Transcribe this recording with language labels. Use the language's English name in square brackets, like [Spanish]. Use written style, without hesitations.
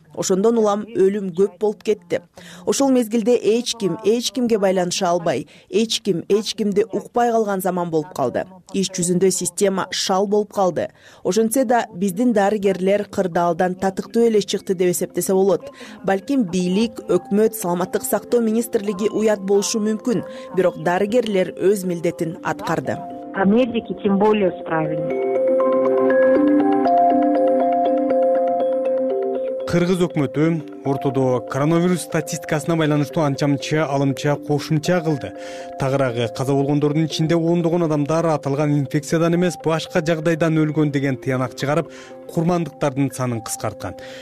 [Kyrgyz] Ошондон улам өлүм көп болуп кетти. Ошол мезгилде эч ким эч кимге байланыша албай, эч ким эч кимди укпай калган заман болуп калды. Иш жүзүндө система шал болуп калды. Ошентсе да биздин дарыгерлер кырдаалдан татыктуу эле чыкты деп эсептесе болот. Балким бийлик, өкмөт, саламаттык сактоо министрлиги уят болушу мүмкүн, бирок дарыгерлер өз милдетин аткарды. [Russian] А медики тем более справились. [Kyrgyz] Кыргыз өкмөтү ортодо коронавирус статистикасына байланыштуу анчамча алымча кошумча кылды. Тагыраагы каза болгондордун ичинде ондогон адамдар аталган инфекциядан эмес башка жагдайдан өлгөн деген тыянак чыгарып, курмандыктардын санын кыскарткан.